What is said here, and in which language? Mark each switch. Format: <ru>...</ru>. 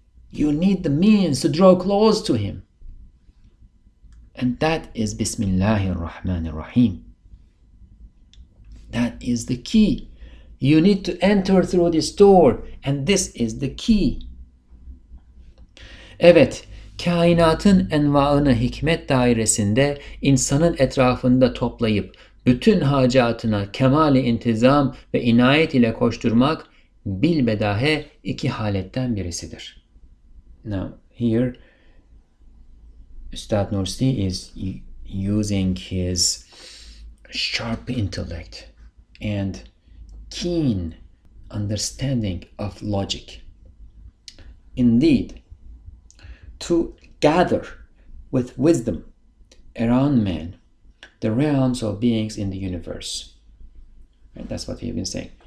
<en>You need the means to draw close to him. And that is Bismillahir Rahmanir Rahim. That is the key. You need to enter through this door, and this is the key.</en> <tr>Evet, kainatın envaını hikmet dairesinde insanın etrafında toplayıp bütün hacatına kemali intizam ve inayet ile koşturmak bilbedahe iki haletten birisidir.</tr> <en>Now, here, Üstad Nursi is using his sharp intellect and keen understanding of logic. Indeed, to gather with wisdom around man the realms of beings in the universe. And that's what he's been saying.</en>